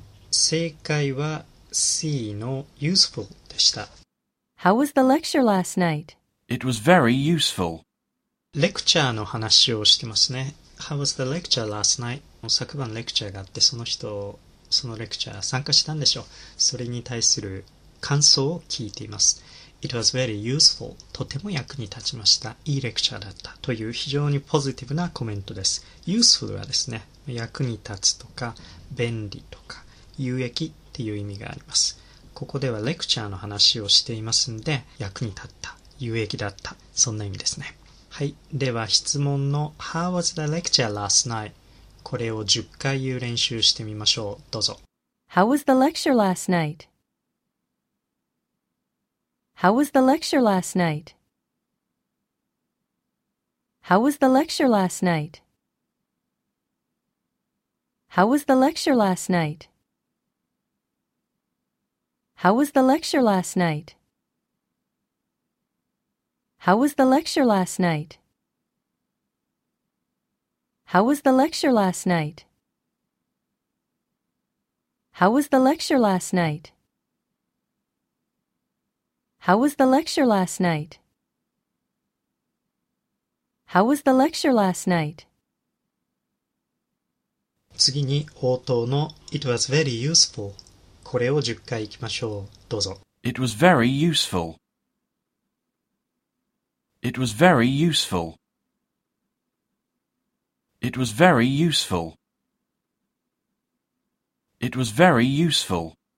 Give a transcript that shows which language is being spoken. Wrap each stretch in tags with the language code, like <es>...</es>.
<ja>正解は C の useful でした。</ja> <en>How was the lecture last night? It was very useful.</en> <ja>レクチャーの話をしてますね。</ja> <en>How was the lecture last night?</en> <ja>昨晩レクチャーがあって、そのレクチャー参加したんでしょう。それに対する感想を聞いています。</ja> <en>It was very useful.</en> <ja>とても役に立ちました。いいレクチャーだったという非常にポジティブなコメントです。 Useful はですね、役に立つとか便利とか有益っていう意味があります。ここではレクチャーの話をしていますので、役に立った、有益だった、そんな意味ですね。はい、では質問の</ja> <en>How was the lecture last night?</en> <ja>これを10回言う練習してみましょう。どうぞ。</ja> <en>How was the lecture last night? How was the lecture last night? How was the lecture last night? How was the lecture last night? How was the lecture last night? How was the lecture last night? How was the lecture last night? How was the lecture last night? How was the lecture last night? How was the lecture last night?</en> <ja>次に応答の</ja> <en>It was very useful.</en> <ja>これを10回いきましょう。どうぞ。</ja> <en>It was very useful. It was very useful. It was very useful. It was very useful.</en>